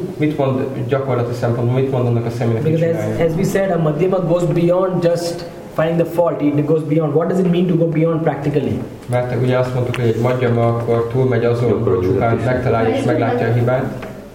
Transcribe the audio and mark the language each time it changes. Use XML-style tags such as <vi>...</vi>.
<hu>Mit mond gyakorlati szempontból, mit mond annak a személynek?</hu> <en>Because as we said, a madhyama goes beyond just finding the fault, it goes beyond. What does it mean to go beyond practically?</en> <hu>Mert ugye azt mondtuk, hogy egy madhyama akkor túlmegy azon, hogy csupán megtalálja és meglátja a hibát.</hu>